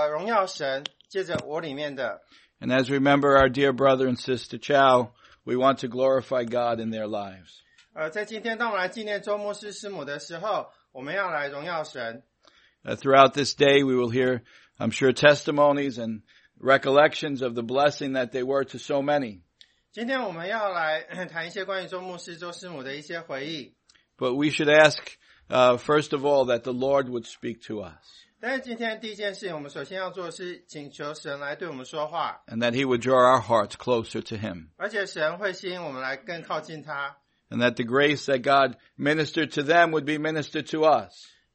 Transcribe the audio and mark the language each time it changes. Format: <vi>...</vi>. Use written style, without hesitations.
<zh>使徒保罗说，他们荣耀神借着我里面的。</zh> <en>And as we remember our dear brother and sister Chow, we want to glorify God in their lives.</en> <zh>在今天，当我们来纪念周牧师师母的时候，我们要来荣耀神。</zh> <en>Throughout this day, we will hear, I'm sure, testimonies and recollections of the blessing that they were to so many.</en> <zh>今天我们要来谈一些关于周牧师、周师母的一些回忆。</zh> <en>But we should ask, first of all, that the Lord would speak to us.</en> <zh>但是今天第一件事情，我们首先要做的是请求神来对我们说话。</zh> <en>And that He would draw our hearts closer to Him.</en> <zh>而且神会吸引我们来更靠近他。</zh> <en>And that the grace that God ministered to them would be ministered to us.</en>